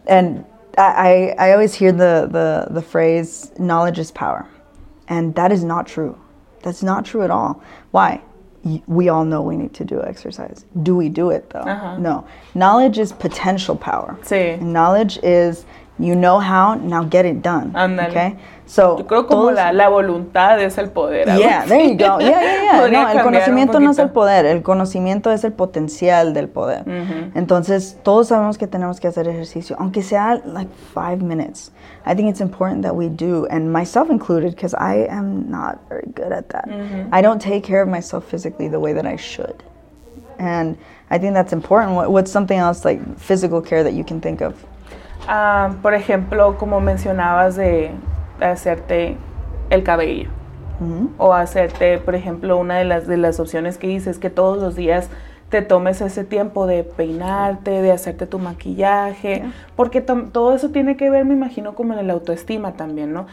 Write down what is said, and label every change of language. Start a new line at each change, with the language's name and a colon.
English: And I always hear the phrase, knowledge is power. And that is not true. That's not true at all. Why? We all know we need to do exercise. Do we do it, though? Uh-huh. No. Knowledge is potential power.
Spanish: Sí.
English: Knowledge is, you know how, now get it done.
Spanish: Andale.
English: Okay? So,
Spanish: yo creo como todos, la voluntad es el poder.
English: Yeah, there you go. Yeah.
Spanish: No, el conocimiento no es el poder. El conocimiento es el potencial del poder. Uh-huh. Entonces, todos sabemos que tenemos que hacer ejercicio, aunque sea
English: like 5 minutes. I think it's important that we do, and myself included, because I am not very good at that. Mm-hmm. I don't take care of myself physically the way that I should. And I think that's important. What's something else, like physical care, that you can think of?
Spanish: Por ejemplo, como mencionabas de hacerte el cabello. Mm-hmm. O hacerte, por ejemplo, una de las opciones que hice es que todos los días te tomes ese tiempo de peinarte, de hacerte tu maquillaje, yeah. porque todo eso tiene que ver, me imagino, como en el autoestima también, ¿no?